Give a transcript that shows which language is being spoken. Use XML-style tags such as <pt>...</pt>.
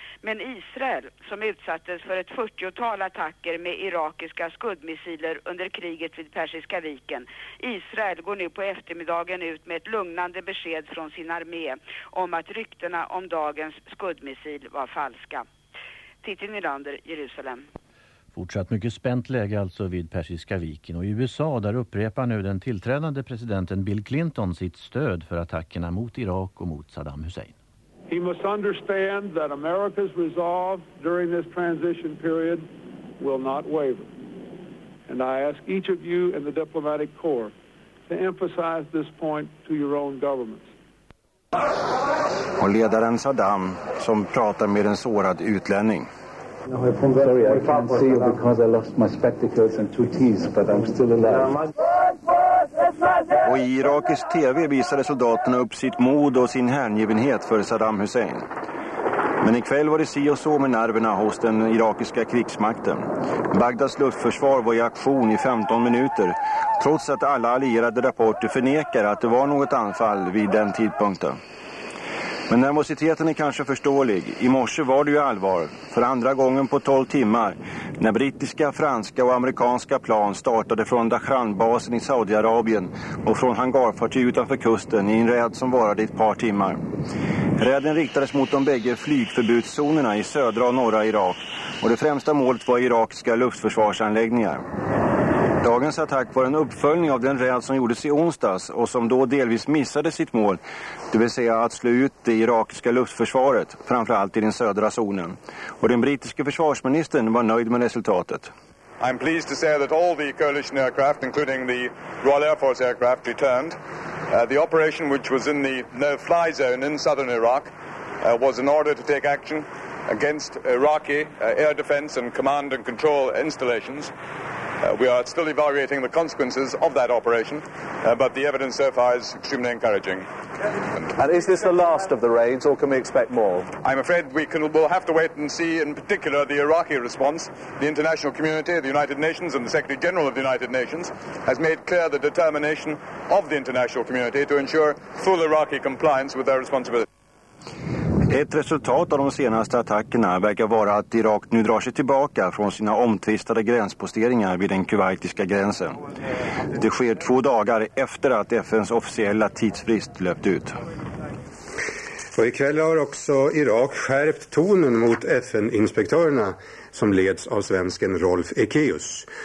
<sv>Men Israel, som utsattes för ett 40-tal attacker med irakiska skuddmissiler under kriget vid Persiska viken, Israel går nu på eftermiddagen ut med ett lugnande besked från sin armé om att ryktena om dagens skuddmissil var falska. Titti Nylander, Jerusalem. Fortsatt mycket spänt läge alltså vid Persiska viken, och i USA där upprepar nu den tillträdande presidenten Bill Clinton sitt stöd för attackerna mot Irak och mot Saddam Hussein.</sv> <en>He must understand that America's resolve during this transition period will not waver. And I ask each of you in the diplomatic corps to emphasize this point to your own governments.</en> <sv>Och ledaren Saddam som pratar med en sårad utlänning.</sv> <en>Sorry, I can't see you because I lost my spectacles and two teeth, but I'm still alive.</en> <sv>Och i irakisk TV visade soldaterna upp sitt mod och sin hängivenhet för Saddam Hussein. Men ikväll var det si och så med nerverna hos den irakiska krigsmakten. Bagdads luftförsvar var i aktion i 15 minuter, trots att alla allierade rapporter förnekar att det var något anfall vid den tidpunkten. Men nervositeten är kanske förståelig. I morse var det ju allvar, för andra gången på 12 timmar, när brittiska, franska och amerikanska plan startade från Dahran-basen i Saudiarabien och från hangarfartyg utanför kusten i en räd som varade ett par timmar. Räden riktades mot de bägge flygförbudszonerna i södra och norra Irak, och det främsta målet var irakiska luftförsvarsanläggningar. Dagens attack var en uppföljning av den räd som gjordes i onsdags och som då delvis missade sitt mål, det vill säga att slå ut det irakiska luftförsvaret, framförallt i den södra zonen. Och den brittiska försvarsministern var nöjd med resultatet.</sv> <en>I'm pleased to say that all the coalition aircraft, including the Royal Air Force aircraft, returned. The operation which was in the no-fly zone in southern Iraq was in order to take action against Iraqi air defense and command and control installations. We are still evaluating the consequences of that operation, but the evidence so far is extremely encouraging. And is this the last of the raids, or can we expect more? I'm afraid we'll have to wait and see, in particular, the Iraqi response. The international community, the United Nations, and the Secretary General of the United Nations has made clear the determination of the international community to ensure full Iraqi compliance with their responsibility.</en> <sv>Ett resultat av de senaste attackerna verkar vara att Irak nu drar sig tillbaka från sina omtvistade gränsposteringar vid den kuwaitiska gränsen. Det sker 2 dagar efter att FNs officiella tidsfrist löpt ut. Och ikväll har också Irak skärpt tonen mot FN-inspektörerna som leds av svensken Rolf Ekéus.</sv>